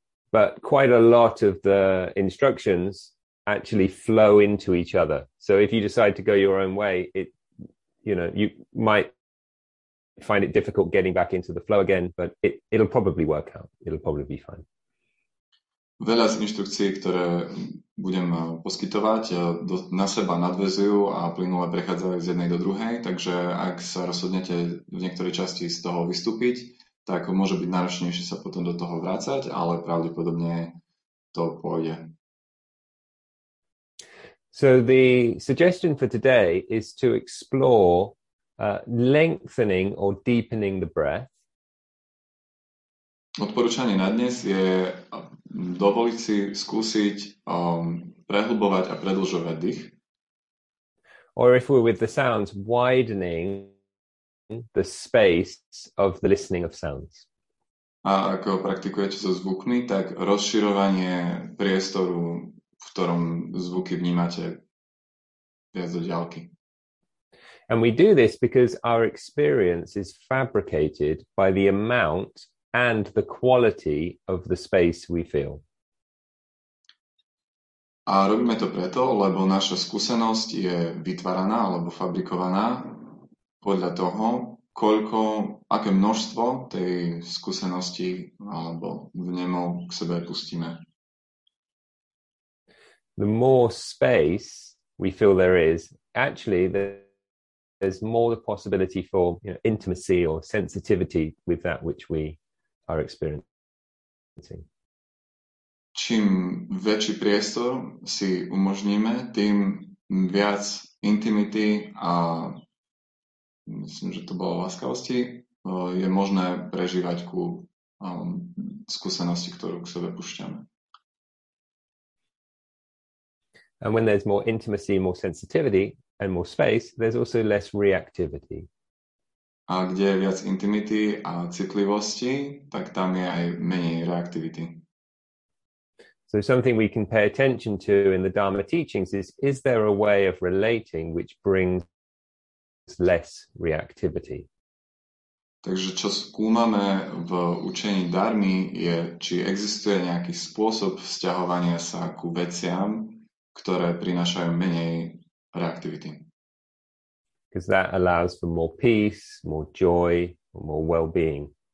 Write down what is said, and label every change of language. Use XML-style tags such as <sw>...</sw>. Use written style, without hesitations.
<en>But quite a lot of the instructions actually flow into each other. So if you decide to go your own way, it, you know, you might find it difficult getting back into the flow again, but it'll probably work out. It'll probably be fine.</en> <sk>Veľa z inštrukcií, ktoré budem poskytovať, na seba nadväzujú a plynule prechádzajú z jednej do druhej, takže ak sa rozhodnete v niektorej časti z toho vystúpiť, tak môže byť náročnejšie sa potom do toho vrácať, ale pravdepodobne to pôjde.</sk> <en>So the suggestion for today is to explore lengthening or deepening the breath.</en> <sk>Odporúčanie na dnes je dovoliť si skúsiť prehlbovať a predĺžovať dých.</sk> <en>Or if we're with the sounds, widening the space of the listening of sounds.</en> <sk>A ako praktikujete so zvukmi, tak rozširovanie priestoru, v ktorom zvuky vnímate viac do diaľky.</sk> <en>And we do this because our experience is fabricated by the amount and the quality of the space we feel.</en> <sk>A robíme to preto, lebo naša skúsenosť je vytváraná alebo fabrikovaná podľa toho, koľko, aké množstvo tej skúsenosti alebo vnemov k sebe pustíme.</sk> <en>The more space we feel there is, actually there's more the possibility for, you know, intimacy or sensitivity with that which we our experience.</en> <sk>Čím väčší priestor si umožníme, tým viac intimity a myslím, že to bolo láskavosti, je možné prežívať ku skúsenosti, ktorú k sebe púšťame.</sk> <en>And when there's more intimacy, more sensitivity and more space, there's also less reactivity.</en> <sk>A kde je viac intimity a citlivosti, tak tam je aj menej reaktivity.</sk> <en>So something we can pay attention to in the Dharma teachings is there a way of relating which brings less reactivity?</en> <sk>Takže čo skúmame v učení Dharmy je, či existuje nejaký spôsob vzťahovania sa ku veciam, ktoré prinášajú menej reaktivity.</sk> <en>Because that allows for more peace, more joy, more well-being.</en>